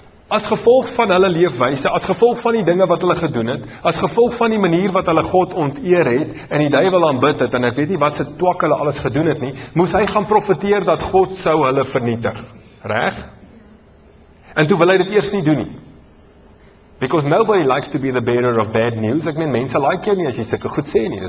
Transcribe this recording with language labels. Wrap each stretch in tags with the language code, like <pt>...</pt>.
<af>As gevolg van hulle leefwyse, as gevolg van die dinge wat hulle gedoen het, as gevolg van die manier wat hulle God onteer het en die duiwel aanbid het en ek weet nie wat se twak hulle alles gedoen het nie, moes hy gaan profeteer dat God sou hulle vernietig, reg? En toe wil hy dit eers nie doen nie.</af> <en>Because nobody likes to be the bearer of bad news.</en> <af>Ek meen, mense like jou nie as jy sulke goed sê nie.</af>